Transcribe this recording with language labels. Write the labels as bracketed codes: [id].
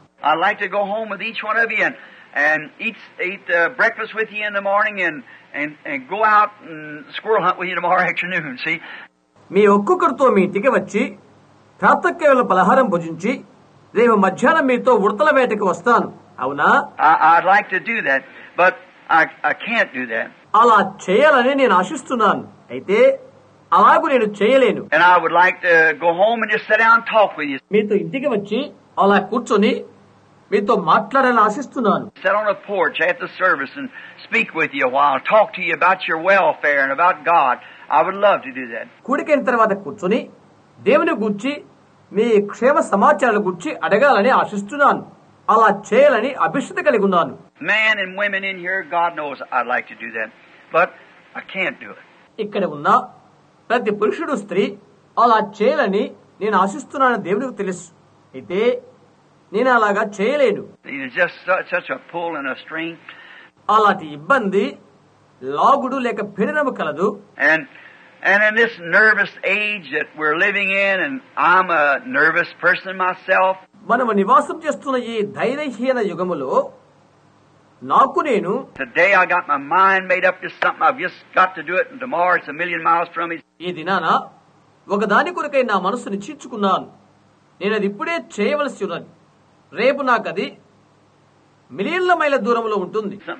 [en] I'd like to go home with each one of you and eat breakfast with you in the morning and go out and squirrel hunt with you tomorrow afternoon. See? [te] మీ ఒక్కొక్కరితో మీ ఇంటికి వచ్చి ప్రాతకాల పలహారం భుజించి రేపు మధ్యాహ్నం మీతో ఉడతల వేటకి వస్తాను. అవునా? [en] I'd like to do that, but I can't do that. [te] అలా చేయాలని నేను ఆశిస్తున్నాను. అయితే అలాగూ నేను చేయలేను. [en] And I would like to go home and just sit down and talk with you. [te] మీతో ఇంటికి వచ్చి అలా కూర్చొని మీతో మాట్లాడాలని ఆశిస్తున్నాను. [en] Sit on a porch at the service and speak with you a while, talk to you about your welfare and about God. I would love to do that. [te] కూడికైన తర్వాత కూర్చొని దేవుని గురించి మీ క్షేమ సమాచారాల గురించి అడగాలని ఆశిస్తున్నాను. అలా చేయాలని అభిష్టత కలిగి ఉన్నాను. [en] Man and women in here, God knows I'd like to do that, but I can't do it. [te] ఇక్కడ ఉన్న ప్రతి పురుషుడు స్త్రీ అలా చేయాలని నేను ఆశిస్తున్నానని దేవునికి తెలుసు. అయితే నేను అలాగా చేయలేను. అలాంటి ఇబ్బంది లాగుడు లేక పీడనము కలదు. [en] And in this nervous age that we're living in, and I'm a nervous person myself. [te] మనం నివాసం చేస్తున్న ఈ ధైర్యహీన యుగములో నాకు నేను [en] today I got my mind made up to something. I've just got to do it, and tomorrow it's a million miles from me. [te] ఈ దినాన ఒక దాని కొరకై నా మనసు నిశ్చయించుకున్నాను. నేను అది ఇప్పుడే చేయవలసి ఉన్నది. రేపు నాకు అది మిలియన్ల మైళ్ళ దూరంలో ఉంటుంది.